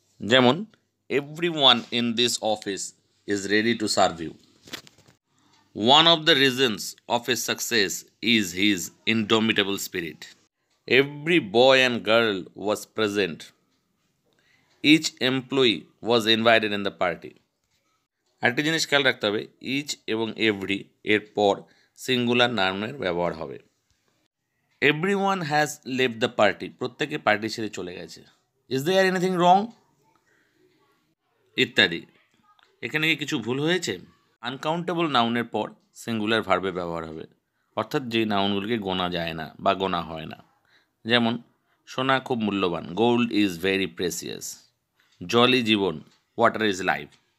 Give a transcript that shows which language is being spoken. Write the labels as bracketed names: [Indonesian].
[English] যেমন every one in this office is ready to serve you, one of the reasons of his success is his indomitable spirit, every boy and girl was present, each employee was invited in the party. [Bangla] একটা জিনিস খেয়াল রাখতে হবে, each এবং every এর পর singular নাউনের ব্যবহার হবে। [English] Everyone has left the party. [Bangla] প্রত্যেকে পার্টি ছেড়ে চলে গেছে। [English] Is there anything wrong? [Bangla] ইত্যাদি। এখানে কি কিছু ভুল হয়েছে? আনকাউন্টেবল নাউনের পর সিঙ্গুলার ভার্বে ব্যবহার হবে, অর্থাৎ যেই নাউনগুলিকে গোনা যায় না বা গোনা হয় না। যেমন সোনা খুব মূল্যবান, [English] gold is very precious, [Bangla] জলই জীবন, [English] Water is life.